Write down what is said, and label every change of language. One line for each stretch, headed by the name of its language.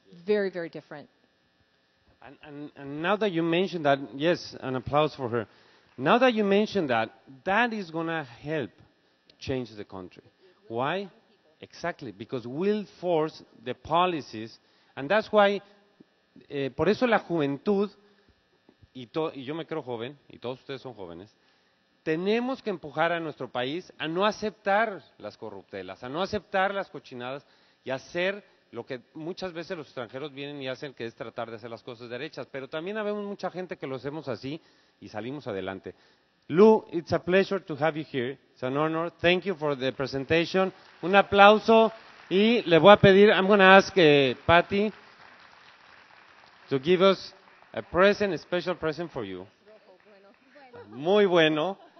English: Yeah. Very, very different. And now that you mentioned that, yes, an applause for her. Now that you mentioned that, that is going to help change the country. Why? Exactly, because we'll force the policies, and that's why.
Spanish: Por eso la juventud, y yo me creo joven, y todos ustedes son jóvenes, tenemos que empujar a nuestro país a no aceptar las corruptelas, a no aceptar las cochinadas, y hacer lo que muchas veces los extranjeros vienen y hacen, que es tratar de hacer las cosas derechas. Pero también habemos mucha gente que lo hacemos así y salimos adelante.
English: Lu, it's a pleasure to have you here. It's an honor. Thank you for the presentation.
Spanish: Un aplauso. Y le voy a pedir,
English: I'm going to ask Patty to give us a present, a special present for you.
Spanish: Muy bueno.